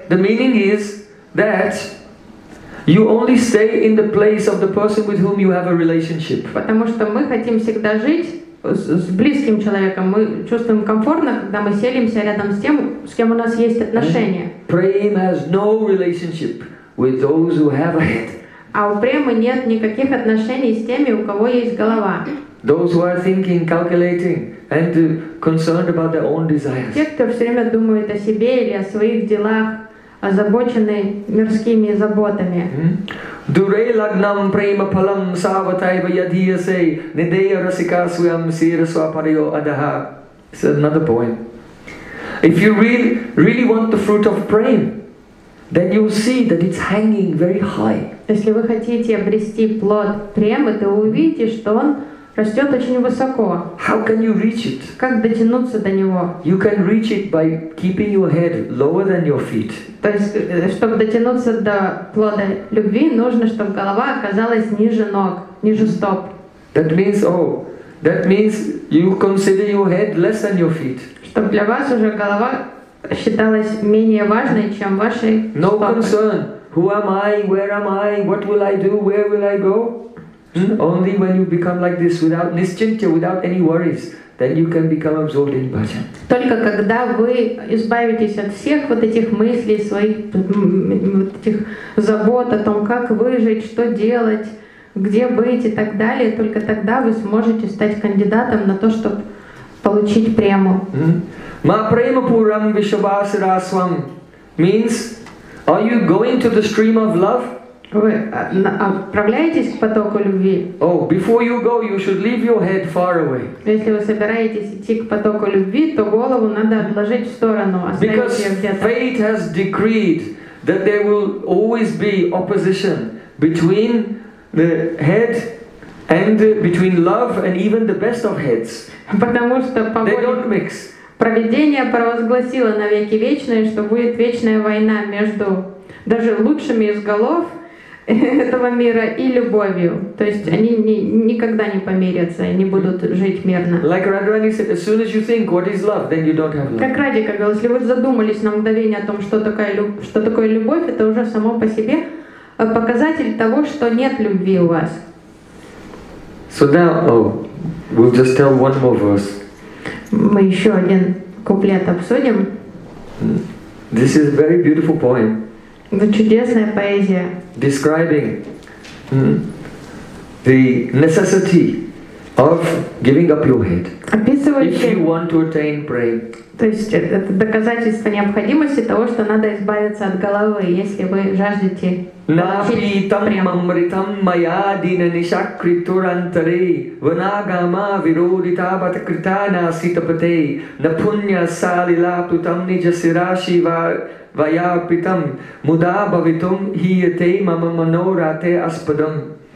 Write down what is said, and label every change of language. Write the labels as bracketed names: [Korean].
[English] The meaning is that you only stay in the place of the person with whom you have a relationship. [Russian] Потому что мы хотим всегда жить с близким человеком. Мы чувствуем комфортно, когда мы селимся рядом с тем, с кем у нас есть отношения. [English] Prem has no relationship with those who have a head. [Russian] А у премы нет никаких отношений с теми, у кого есть голова. [English] Those who are thinking, calculating, and concerned about their own desires. [Russian] Те, кто все время думают о себе или о своих делах, озабочены мирскими заботами. [Sanskrit] Дурей лагнам према палам саватайва ядиясей нидея расика свям сирасва парио адаха. [English] It's another poem. If you really want the fruit of prema, then you'll see that it's hanging very high. [Russian] Если вы хотите обрести плод премы, то увидите, что он растет очень высоко. [English] How can you reach it? [Russian] Как дотянуться до него? [English] You can reach it by keeping your head lower than your feet. [Russian] То есть, чтобы дотянуться до плода любви, нужно, чтобы голова оказалась ниже ног, ниже стоп. [English] That means you consider your head less than your feet. [Russian] Чтобы для вас уже голова считалась менее важной, чем ваши [English] No [Russian] стопы. [English] Concern. Who am I? Where am I? What will I do? Where will I go? Only when you become like this, without nischintya, without any worries, then you can become absorbed in bhajan. [Russian] Только когда вы избавитесь от всех вот этих мыслей, своих вот этих забот о том, как выжить, что делать, где быть и так далее, только тогда вы сможете стать кандидатом на то, чтобы получить прему. [Sanskrit] Ma prema puram vishvasiraswam [English] means, are you going to the stream of love? [Russian] Вы отправляетесь к потоку любви? [English] Oh, before you go, you should leave your head far away. [Russian] Если вы собираетесь идти к потоку любви, то голову надо отложить в сторону, оставить ее где-то. [English] Because fate has decreed that there will always be opposition between the head and between love and even the best of heads. [Russian] Потому что [English] they don't mix. [Russian] Провидение провозгласило на веки вечные, что будет вечная война между даже лучшими из голов этого мира и любовью. То есть они никогда не помирятся, они будут жить мирно. [English] Like Radharani said, as soon as you think what is love, then you don't have love. [Russian] Как Радика говорил, если вы задумались на мгновение о том, что такое любовь, это уже само по себе показатель того, что нет любви у вас. [English] So now, we'll just tell one more verse. [Russian] Мы еще один куплет обсудим. [English] This is a very beautiful poem. [Russian] Это чудесная поэзия. [English] Describing the necessity of giving up your head. [Russian] Описывающий. [English] If you want to attain prema. [Russian] То есть это доказательство необходимости того, что надо избавиться от головы, если вы жаждете. [Sanskrit] Напитам мамритам мая дина нишакритурантаре ванагама вирудита батакритана ситапате напунья салила путам нижасираши ваяпитам муда бавитам хиете мама манорате аспадам.